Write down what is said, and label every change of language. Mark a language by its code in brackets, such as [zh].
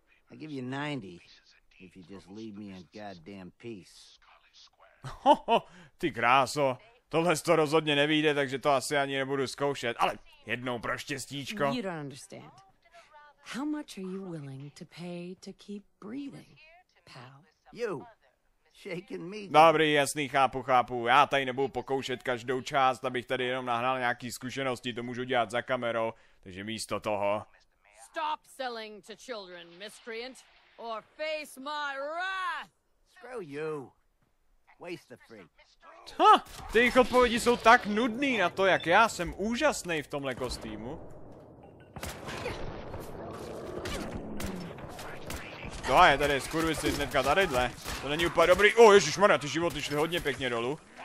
[en] I'll give you 90 if you just leave me in goddamn peace. [cs] Hoho, ty kráso. Tohle to rozhodně nevíde, takže to asi ani nebudu zkoušet. Ale jednou pro štěstíčko. [en] You don't understand. How much are you willing to pay to keep breathing, pal? You. Shaking me. [cs] Dobrý, jasný, chápu, chápu. Já tady nebudu pokoušet každou část, abych tady jenom nahrál nějaký zkušenosti, to můžu dělat za kamerou, takže místo toho. [en] Stop selling to children, miscreant, or face my wrath. Screw you. Waste the free. [cs] Ha, ty jich odpovědi jsou tak nudný na to, jak já jsem úžasný v tomhle kostýmu. To je tady skurvy si hnedka tadyhle. To není úplně dobrý. O, ježišmarja, ty životy šly hodně pěkně dolů.